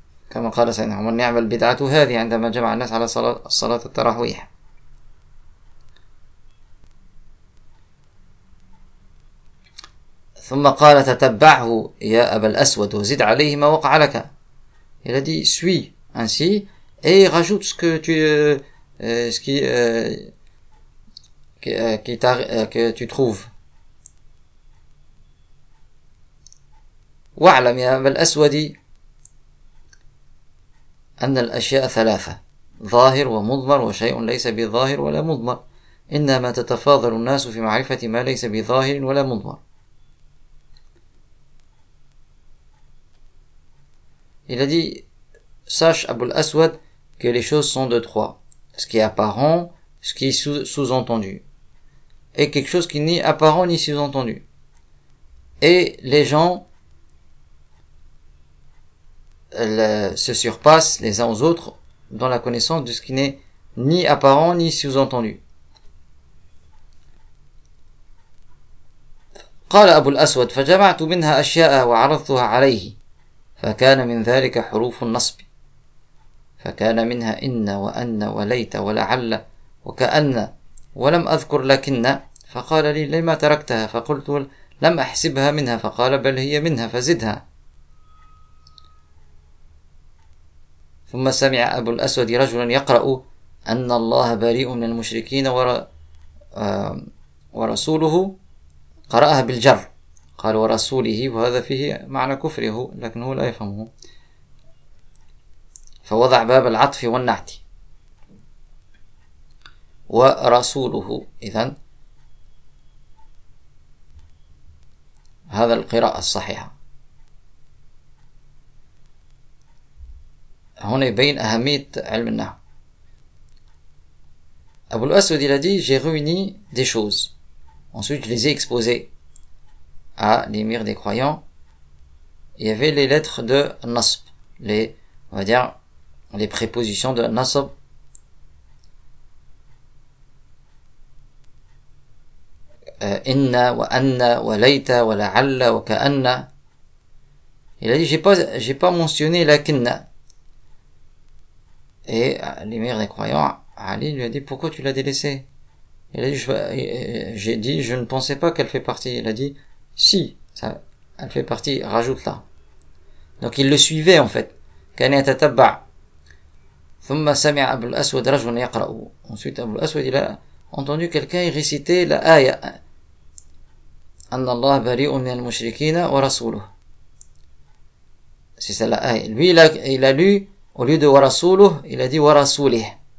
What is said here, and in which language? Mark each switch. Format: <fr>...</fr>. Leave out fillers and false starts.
<fr>Comme a dit le Seigneur, on a bid'a tout hadi, on a dit, on a dit, on a dit, on a dit,</fr> <ar>ثم قال تتبعه يا أبا الأسود وزد عليه ما وقع لك.</ar> <fr>Il a dit suis ainsi et rajoute ce que tu ce qui t'a, que tu trouves.</fr> <ar>واعلم يا أبا الأسود أن الأشياء ثلاثة ظاهر ومضمر وشيء ليس بظاهر ولا مضمر إنما تتفاضل الناس في معرفة ما ليس بظاهر ولا مضمر.</ar> <fr>Il a dit, sache Abul Aswad que les choses sont de trois. Ce qui est apparent, ce qui est sous-entendu. Et quelque chose qui n'est ni apparent ni sous-entendu. Et les gens se surpassent les uns aux autres dans la connaissance de ce qui n'est ni apparent ni sous-entendu.</fr> <ar>قال Abul Aswad, فجمعت منها أشياء وعرضتها عليه. فكان من ذلك حروف النصب فكان منها إن وأن وليت ولعل وكأن ولم أذكر لكن. فقال لي لما تركتها؟ فقلت لم أحسبها منها. فقال بل هي منها فزدها. ثم سمع أبو الأسود رجلا يقرأ أن الله بريء من المشركين ورسوله، قرأها بالجر، قال ورسوله، وهذا فيه معنى كفره لكنه لا يفهمه، فوضع باب العطف والنعت. ورسوله، إذن هذا القراءة الصحيحة. هنا يبين أهمية علم النحو.</ar> <fr>أبو الأسود il a dit j'ai réuni des choses. Ensuite je les ai exposées à l'émir des croyants. Il y avait les lettres de nasb, les, on va dire, les prépositions de nasb.</fr> <ar>إن وأن وليت ولعل وكأن.</ar> <fr>Il a dit j'ai pas mentionné لكن. Et l'émir des croyants Ali lui a dit pourquoi tu l'as délaissé. Il a dit je ne pensais pas qu'elle fait partie. Il a dit si ça, elle fait partie, rajoute là. Donc il le suivait en fait.</fr> <ar>كان يتتبع. ثم سمع أبو الأسود رجلا يقرأ.</ar> <fr>Ensuite أبو الأسود il a entendu quelqu'un réciter la aya</fr> <ar>أن الله بريء من المشركين ورسوله.</ar> <fr>C'est ça la aya. Lui il a lu au lieu de ورسوله il a dit ورسوله.</fr>